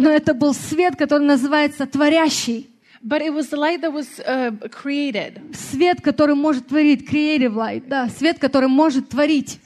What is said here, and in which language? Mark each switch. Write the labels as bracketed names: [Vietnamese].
[Russian] Но это был свет, который называется творящий. [English] But it was the light that was created. [Russian] Свет, который может творить, [English] creative light, [Russian] да, свет, который может творить.